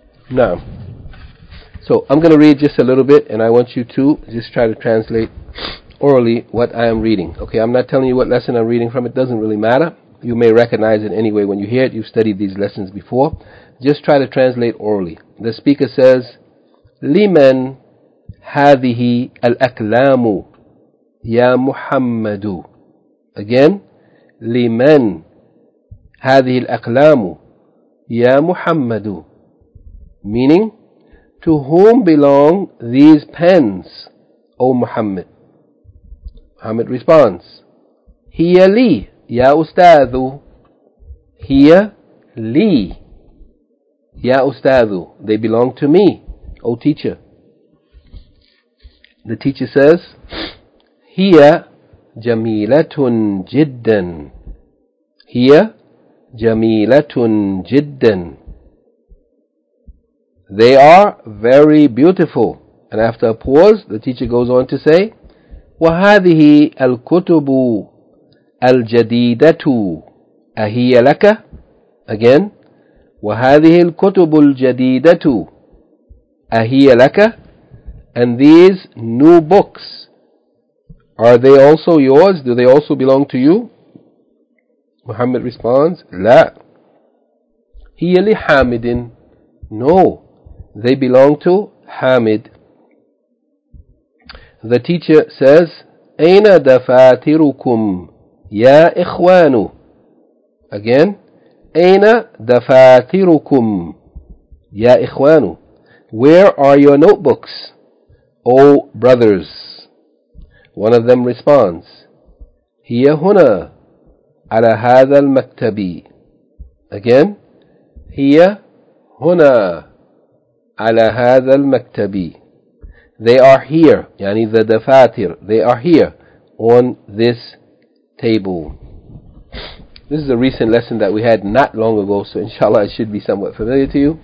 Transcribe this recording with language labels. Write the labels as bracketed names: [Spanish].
[English] Now. So I'm going to read just a little bit, and I want you to just try to translate orally what I am reading. Okay, I'm not telling you what lesson I'm reading from. It doesn't really matter. You may recognize it anyway when you hear it. You've studied these lessons before. Just try to translate orally. The speaker says, [Arabic] لِمَنْ هَذِهِ الْأَكْلَامُ يَا مُحَمَّدُ. Again, لِمَنْ هَذِهِ الْأَكْلَامُ يَا مُحَمَّدُ. [English] Meaning, to whom belong these pens, O Muhammad? Muhammad responds, [Arabic] هِيَ لِي يَا أُسْتَاذُ. هِيَ لِي Ya Ustadhu, [English] they belong to me, O teacher. The teacher says, [Arabic] Hiya Jamilatun Jiddan. Hiya Jamilatun Jiddan. [English] They are very beautiful. And after a pause, the teacher goes on to say, [Arabic] وهذه الكتب الجديدة أهي لك؟ Again, وهذه الكتب الجديدة أهي لك؟ [English] And these new books, are they also yours? Do they also belong to you? Muhammad responds, [Arabic] لا. هي لحامد. [English] No, they belong to Hamid. The teacher says, [Arabic] أين دفاتركم يا إخوانو؟ [English] Again, أين دفاتركم يا إخوانو؟ Where are your notebooks, O brothers? One of them responds, [Arabic] هي هنا على هذا المكتب. Again, هي هنا على هذا المكتب. [English] They are here, [Arabic] يعني [English] the دفاتر. They are here on this table. This is a recent lesson that we had not long ago, so inshallah it should be somewhat familiar to you.